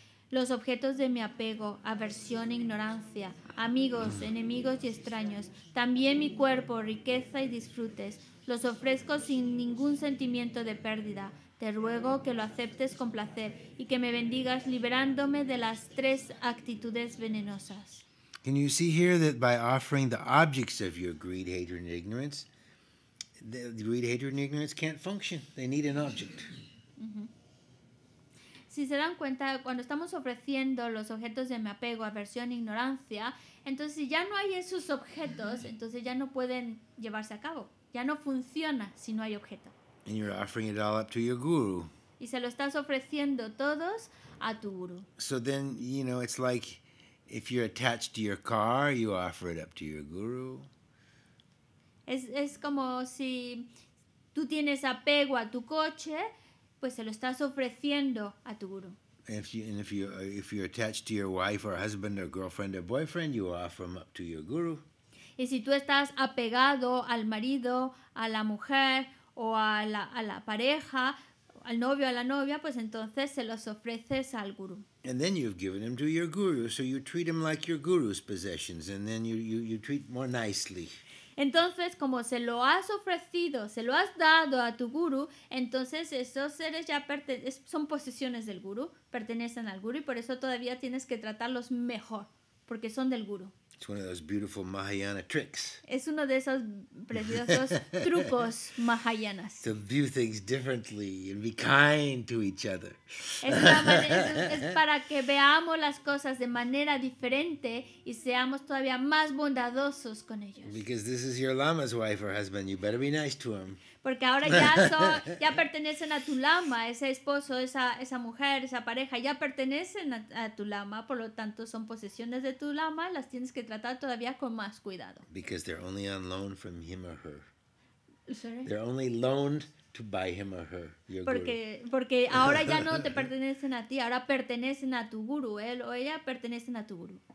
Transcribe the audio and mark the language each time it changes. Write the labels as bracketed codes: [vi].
[es] Los objetos de mi apego, aversión e ignorancia, amigos, enemigos y extraños, también mi cuerpo, riqueza y disfrutes, los ofrezco sin ningún sentimiento de pérdida. Te ruego que lo aceptes con placer y que me bendigas liberándome de las tres actitudes venenosas. [en] Can you see here that by offering the objects of your greed, hatred, and ignorance, the greed, hatred, and ignorance can't function. They need an object. [es] Si se dan cuenta, cuando estamos ofreciendo los objetos de mi apego, aversión, ignorancia, entonces ya no hay esos objetos, entonces ya no pueden llevarse a cabo. Ya no funciona si no hay objeto. [en] And you're offering it all up to your guru. [es] Y se lo estás ofreciendo todos a tu guru. [en] So then, you know, it's like if you're attached to your car, you offer it up to your guru. [es] Es como si tú tienes apego a tu coche, pues se lo estás ofreciendo a tu guru. [en] If you're attached to your wife or husband or girlfriend or boyfriend, you offer them up to your guru. [es] Y si tú estás apegado al marido, a la mujer o a la pareja, al novio o a la novia, pues entonces se los ofreces al guru. [en] And then you've given them to your guru, so you treat them like your guru's possessions, and then you treat more nicely. [es] Entonces, como se lo has ofrecido, se lo has dado a tu guru, entonces esos seres ya son posesiones del guru, pertenecen al guru, y por eso todavía tienes que tratarlos mejor, porque son del guru. [en] It's one of those beautiful Mahayana tricks. [es] Es uno de esos preciosos trucos mahayanas. [en] To view things differently and be kind to each other. [es] Es para que veamos las cosas de manera diferente y seamos todavía más bondadosos con ellos. [en] Because this is your lama's wife or husband, you better be nice to him. [es] Porque ahora ya pertenecen a tu lama, ese esposo, esa mujer, esa pareja, ya pertenecen a tu lama, por lo tanto son posesiones de tu lama, las tienes que tratar todavía con más cuidado. [en] Because they're only on loan from him or her. Sorry? They're only loaned to buy him or her, your [es] porque, [en] guru. [es] Porque ahora ya no te pertenecen a ti, ahora pertenecen a tu guru, él o ella pertenecen a tu guru.